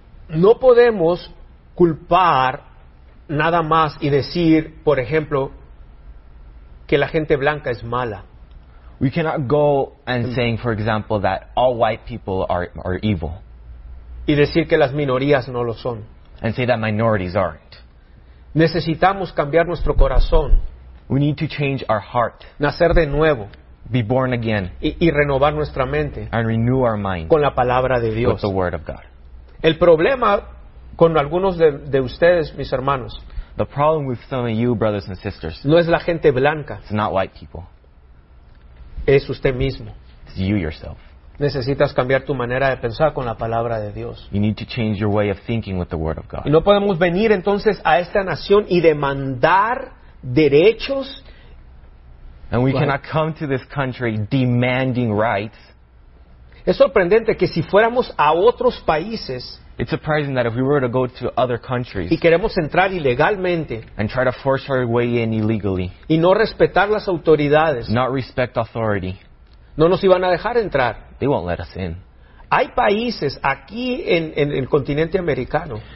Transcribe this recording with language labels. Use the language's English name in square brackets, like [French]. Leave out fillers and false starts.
[Spanish] No podemos culpar nada más y decir, por ejemplo, que la gente blanca es mala. [English] We cannot go and saying, for example, that all white people are evil. [Spanish] Y decir que las minorías no lo son. [English] And say that minorities aren't. [Spanish] Necesitamos cambiar nuestro corazón. [English] We need to change our heart. [Spanish] Nacer de nuevo. [English] Be born again. [Spanish] Y renovar nuestra mente. [English] And renew our mind. [Spanish] Con la palabra de Dios. [English] With the word of God. [Spanish] El problema con algunos de ustedes, mis hermanos. [English] The problem with some of you, brothers and sisters. [Spanish] No es la gente blanca. [English] It's not white people. [Spanish] Es usted mismo. [English] It's you yourself. [Spanish] Necesitas cambiar tu manera de pensar con la palabra de Dios. [English] You need to change your way of thinking with the word of God. [Spanish] Y no podemos venir entonces a esta nación y demandar derechos. [English] And we cannot come to this country demanding rights. [Spanish] Es sorprendente que si fuéramos a otros países. [English] It's surprising that if we were to go to other countries. [Spanish] Y queremos entrar ilegalmente. [English] And try to force our way in illegally. [Spanish] Y no respetar las autoridades. [English] Not respect authority. [Spanish] No nos iban a dejar entrar. [English] They won't let us in. [Spanish] Hay países aquí en el continente americano.